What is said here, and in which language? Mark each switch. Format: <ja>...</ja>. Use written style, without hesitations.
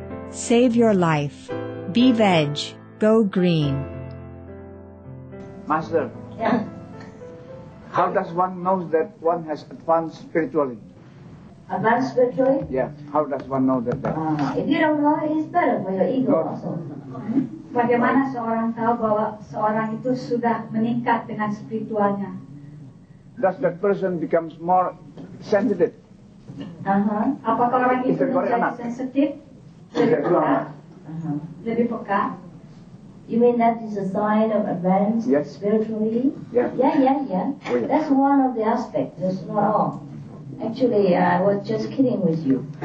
<en>Save your life. Be veg. Go green. Master, yeah. How does one know that one has advanced spiritually? Advanced spiritually? Yeah, how does one know that? If you don't know, it's better for your ego also.</en> <id>Bagaimana seorang tahu bahwa seorang itu sudah meningkat dengan spiritualnya?</id> <en>Does that person becomes more sensitive? Uh-huh.</en> <id>Apakah orang itu menjadi sensitive? Lebih peka? Uh-huh. Lebih peka?</id> <en>You mean that is a sign of advance, yes, spiritually? Yeah. Oh, yeah. That's one of the aspects. That's not all. Actually, I was just kidding with you.</en>